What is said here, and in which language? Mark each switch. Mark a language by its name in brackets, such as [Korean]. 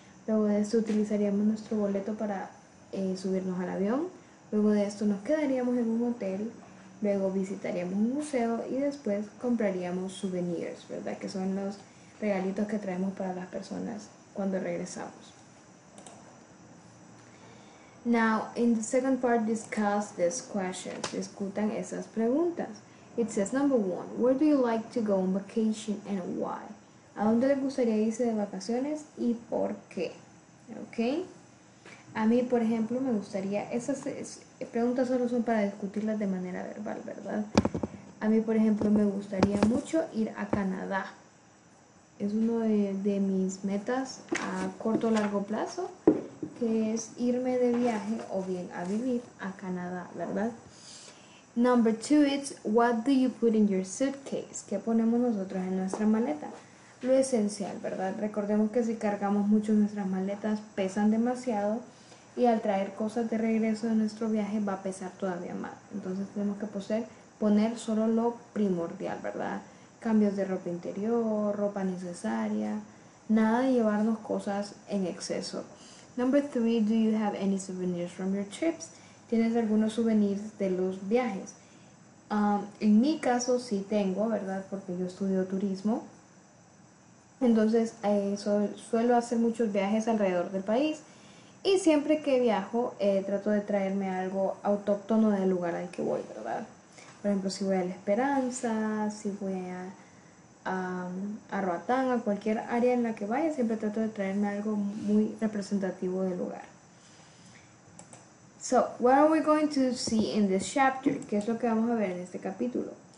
[Spanish] Luego de esto utilizaríamos nuestro boleto para subirnos al avión. Luego de esto nos quedaríamos en un hotel. Luego visitaríamos un museo y después compraríamos souvenirs, ¿verdad? Que son los regalitos que traemos para las personas cuando regresamos. [English] Now, in the second part, discuss these questions. [Spanish] Discutan esas preguntas. [English] It says, number one, where do you like to go on vacation and why? [Spanish] ¿A dónde le gustaría irse de vacaciones y por qué? Okay? A mí, por ejemplo, me gustaría, esas preguntas solo son para discutirlas de manera verbal, ¿verdad? A mí, por ejemplo, me gustaría mucho ir a Canadá. Es uno de mis metas a corto o largo plazo, que es irme de viaje o bien a vivir a Canadá, ¿verdad? [English] Number two is, what do you put in your suitcase? [Spanish] ¿Qué ponemos nosotros en nuestra maleta? Lo esencial, ¿verdad? Recordemos que si cargamos mucho nuestras maletas, pesan demasiado y al traer cosas de regreso de nuestro viaje va a pesar todavía más. Entonces tenemos que poner solo lo primordial, ¿verdad? Cambios de ropa interior, ropa necesaria, nada de llevarnos cosas en exceso. [English] Number three, do you have any souvenirs from your trips? [Spanish] ¿Tienes algunos souvenirs de los viajes? En mi caso sí tengo, ¿verdad? Porque yo estudio turismo. Entonces, suelo hacer muchos viajes alrededor del país. Y siempre que viajo, trato de traerme algo autóctono del lugar al que voy, ¿verdad? Por ejemplo, si voy a La Esperanza, si voy a Roatán, a cualquier área en la que vaya, siempre trato de traerme algo muy representativo del lugar. [English] So, what are we going to see in this chapter? [Spanish] ¿Qué es lo que vamos a ver en este capítulo?